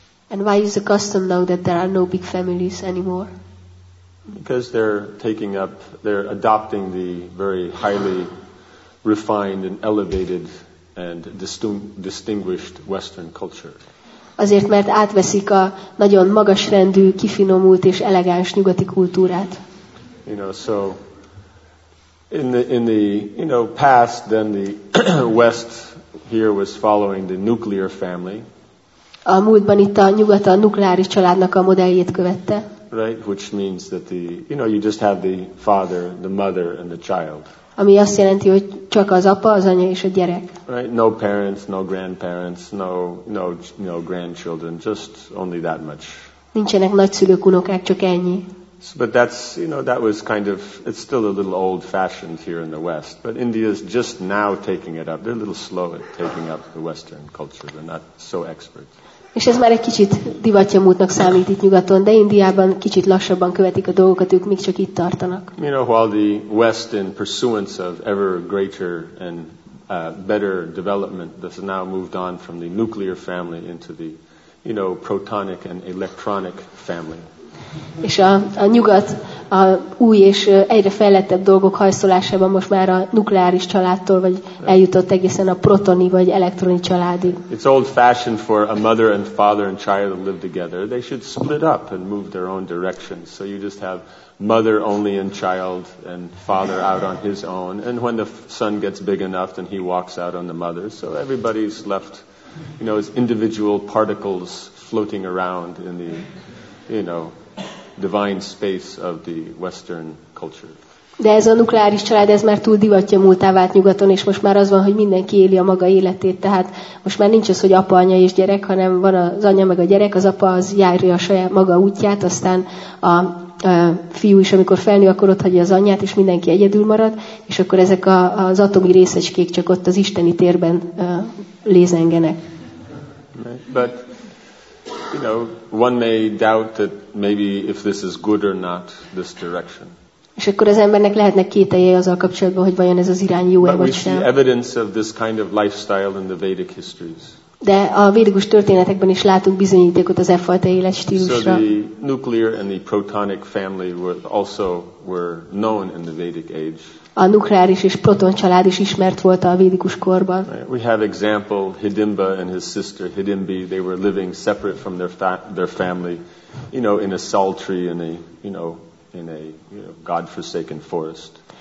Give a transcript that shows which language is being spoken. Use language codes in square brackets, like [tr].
[en] And why is the custom now that there are no big families anymore? Because they're adopting the very highly refined and elevated and distinguished Western culture. [hu] Azért, mert átveszik a nagyon magasrendű, kifinomult és elegáns nyugati kultúrát. [en] You know, so in the you know past, then the West here was following the nuclear family. [hu] A múltban itt a nyugat a nukleáris családnak a modelljét követte. [en] Right, which means that the you know you just have the father, the mother and the child. [hu] Ami azt jelenti, hogy csak az apa, az anya és a gyerek. [en] Right, no parents, no grandparents, no grandchildren, just only that much. [hu] Nincsenek nagyszülők, unokák, csak ennyi. [en] So, but that's you know that was kind of it's still a little old fashioned here in the West, but India is just now taking it up. They're a little slow at taking up the Western culture. They're not so expert. [hu] És ez már egy kicsit divatja múltnak számít itt nyugaton, de Indiában kicsit lassabban követik a dolgokat, ők még csak itt tartanak. [en] You know, while the West in pursuance of ever greater and better development has now moved on from the nuclear family into the you know protonic and electronic family. [hu] És a nyugat a új és egyre fejlettebb dolgok hajszolásában most már a nukleáris családtól vagy eljutott egészen a protoni vagy elektroni családig. [en] It's old fashioned for a mother and father and child to live together. They should split up and move their own directions. So you just have mother only and child and father out on his own. And when the son gets big enough, then he walks out on the mother. So everybody's left, you know, as individual particles floating around in the, you know, divine space of the Western culture. [hu] De ez a nukleáris család, ez már túl divatja múltá vált nyugaton, és most már az van, hogy mindenki éli a maga életét, tehát most már nincs az, hogy apa, anya és gyerek, hanem van az anya meg a gyerek, az apa az járja a saját maga útját, aztán a fiú is, amikor felnő, akkor ott hagyja az anyját, és mindenki egyedül marad, és akkor ezek az atomi részecskék csak ott az isteni térben lézengenek. [en] But you know, one may doubt that maybe if this is good or not, this direction. [hu] És akkor az embernek lehetnek kételjei azzal kapcsolatban, hogy vajon ez az irány jó-e vagy sem. [en] But we see evidence of this kind of lifestyle in the Vedic histories. [hu] De a védikus történetekben is látunk bizonyítékot az e fajta életstílusra. [en] So the nuclear and the protonic family were also known in the Vedic age. [hu] A nukleáris és proton család is ismert volt a védikus korban. [en] We have example Hidimba and his sister Hidimbi. They were living separate from their family, you know, in a sultry and a you know in a you know, godforsaken forest.